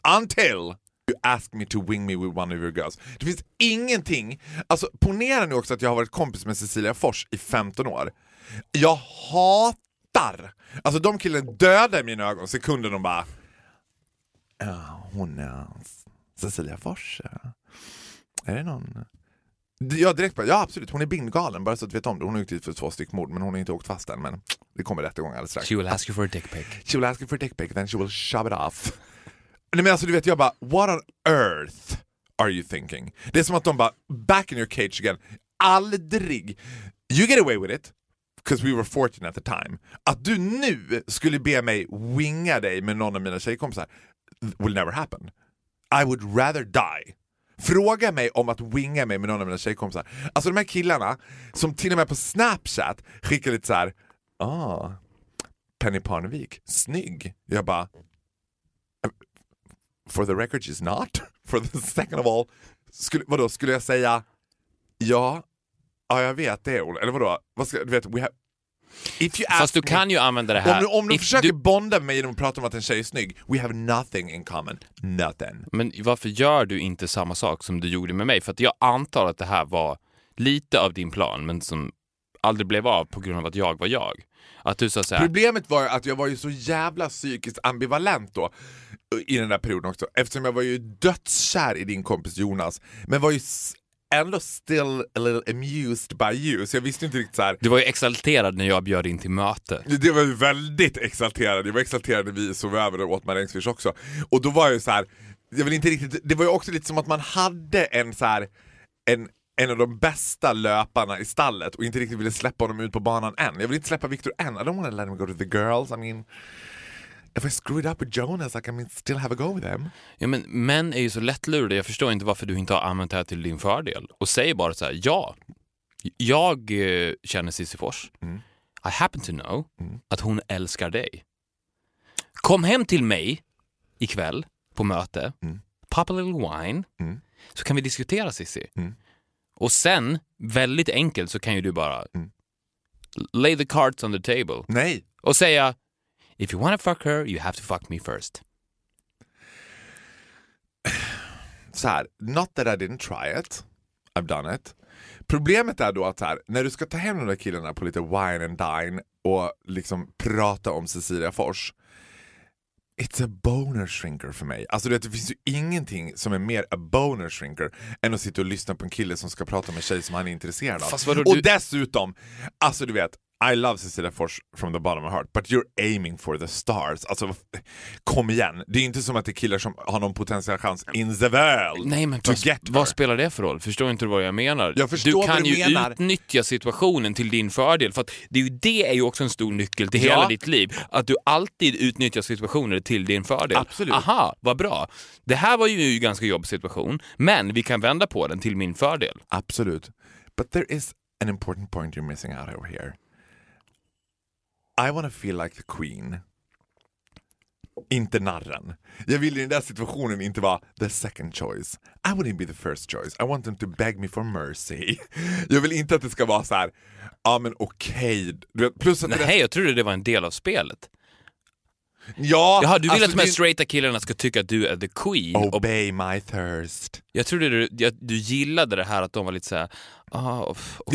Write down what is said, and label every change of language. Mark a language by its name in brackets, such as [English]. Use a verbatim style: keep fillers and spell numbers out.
[English] Until you ask me to wing me with one of your girls. [Swedish] Det finns ingenting. Alltså, ponera nu också att jag har varit kompis med Cecilia Fors i femton år. Jag hatar. Alltså, de killen dödar i mina ögon. Sekunden de bara... Ja, hon är Cecilia Fors. Är det någon... Jag direkt bara, ja absolut, hon är bindgalen, bara så att vi vet om det. Hon är utgivet för två styck mord, men hon har inte åkt fast än, men det kommer rättegång alldeles strax. [English] She will ask you for a dick pic. She will ask you for a dick pic, then she will shove it off. [Swedish] Nej, men alltså du vet, jag bara, [English] what on earth are you thinking? [Swedish] Det är som att de bara, [English] back in your cage again. [Swedish] Aldrig. [English] You get away with it, because we were fourteen at the time. [Swedish] Att du nu skulle be mig winga dig med någon av mina tjejkompisar [English] will never happen. I would rather die. [Swedish] Fråga mig om att winga mig med någon av mina tjejkompisar. Alltså de här killarna som till och med på Snapchat skickar lite så här, ah, Penny Parnevik, snygg. Jag bara, [English] for the record she's not. For the second of all, [Swedish] skulle, vadå, skulle jag säga, ja, ja jag vet det, Ola. Eller vadå, vad ska, du vet, [English] we have... If you [Swedish] Fast du kan [English] me, [Swedish] ju använda det här. Om, om du [English] If [Swedish] försöker du... bonda med mig genom att prata om att en tjej är snygg, [English] we have nothing in common. Nothing. [Swedish] Men varför gör du inte samma sak som du gjorde med mig? För att jag antar att det här var lite av din plan, men som aldrig blev av på grund av att jag var jag. Att du så här... Problemet var att jag var ju så jävla psykiskt ambivalent då, i den där perioden också. Eftersom jag var ju dödskär i din kompis Jonas, men var ju... [English] ändå still a little amused by you. [Swedish] Så jag visste inte riktigt så här. Du var ju exalterad när jag bjöd in till möte. Det var ju väldigt exalterad. Jag var exalterad när vi sov över och åt med Rengsfish också. Och då var jag ju så här, jag vill inte riktigt, det var ju också lite som att man hade en så här, en, en av de bästa löparna i stallet och inte riktigt ville släppa honom ut på banan än. Jag vill inte släppa Victor än. [English] I don't want to let him go to the girls. I mean, if I screwed up with Jonas, I can still have a go with him. [Swedish] Ja, men män är ju så lättlurade. Jag förstår inte varför du inte har använt det här till din fördel. Och säger bara så här, ja, jag eh, känner Cissi Fors. Mm. [English] I happen to know mm. [Swedish] att hon älskar dig. Kom hem till mig ikväll på möte. Mm. [English] Pop a little wine. Mm. [Swedish] Så kan vi diskutera Cissi. Mm. Och sen, väldigt enkelt, så kan ju du bara mm. [English] lay the cards on the table. [Swedish] Nej. Och säga... [English] If you want to fuck her, you have to fuck me first. [Swedish] Så här, [English] not that I didn't try it. I've done it. [Swedish] Problemet är då att här, när du ska ta hem de där killarna på lite [English] wine and dine [Swedish] och liksom prata om Cecilia Fors, [English] it's a boner shrinker [Swedish] för mig. Alltså det finns ju ingenting som är mer [English] a boner shrinker [Swedish] än att sitta och lyssna på en kille som ska prata med en tjej som han är intresserad av. Fast vadå, och du... dessutom, alltså du vet, [English] I love Cecilia Fors from the bottom of my heart, but you're aiming for the stars. [Swedish] Alltså, kom igen. Det är inte som att det är killar som har någon potentiell chans [English] in the world. [Swedish] Nej, men [English] to get [Swedish] vad spelar det för roll? Förstår inte vad jag menar. Jag du kan du ju menar. utnyttja situationen till din fördel. För att det är ju, det är ju också en stor nyckel till ja. hela ditt liv. Att du alltid utnyttjar situationer till din fördel. Absolut. Aha, vad bra. Det här var ju en ganska jobbig situation, men vi kan vända på den till min fördel. Absolut. [English] But there is an important point you're missing out over here. I wanna feel like the queen. [Swedish] Inte narren. Jag vill i den där situationen inte vara [English] the second choice. I wouldn't be the first choice. I want them to beg me for mercy. [Swedish] Jag vill inte att det ska vara så här. Ja, ah, men okej. Okay. Plus att Nej, det där... jag trodde det var en del av spelet. Ja, Jaha, du vill alltså att de här straighta killarna ska tycka att du är [English] the queen. Obey och... my thirst. [Swedish] Jag trodde du, jag, du gillade det här att de var lite så här, ah, okej